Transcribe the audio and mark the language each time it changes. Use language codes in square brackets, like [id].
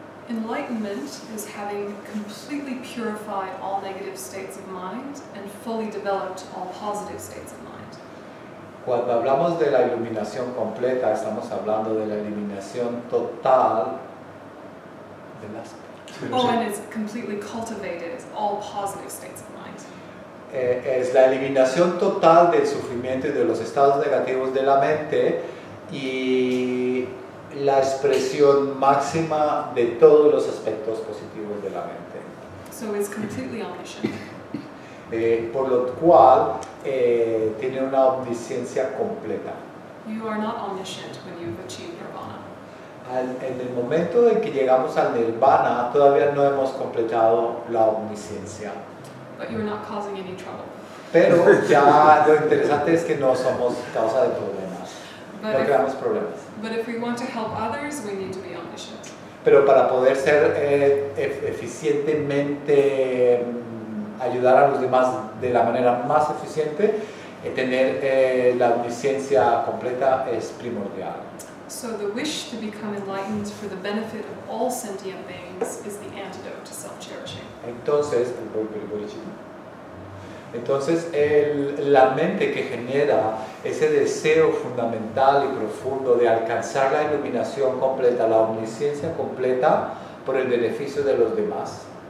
[en] Enlightenment is having completely purified all negative states of mind and fully developed all positive states of mind. [es] Cuando hablamos de la iluminación completa, estamos hablando de la eliminación total de las... [en] Oh, and it's completely cultivated, it's all positive states of mind. [es] es la eliminación total del sufrimiento y de los estados negativos de la mente y la expresión máxima de todos los aspectos positivos de la mente. [en] So it's completely omniscient. [es] Por lo cual tiene una omnisciencia completa. [en] You are not omniscient when you've achieved nirvana. [es] En el momento en que llegamos al nirvana, todavía no hemos completado la omnisciencia. [en] But you're not causing any trouble. [es] Pero ya lo interesante es que no somos causa de problemas. But no creamos problemas. [en] But if we want to help others, we need to be omniscient. [es] Pero para poder ser eficientemente ayudar a los demás de la manera más eficiente, tener la omnisciencia completa es primordial. [en] So the wish to become enlightened for the benefit of all sentient beings is the antidote to self-cherishing. [es] Entonces, la mente que genera ese deseo fundamental y profundo de alcanzar la iluminación completa, la omnisciencia completa, por el beneficio de los demás.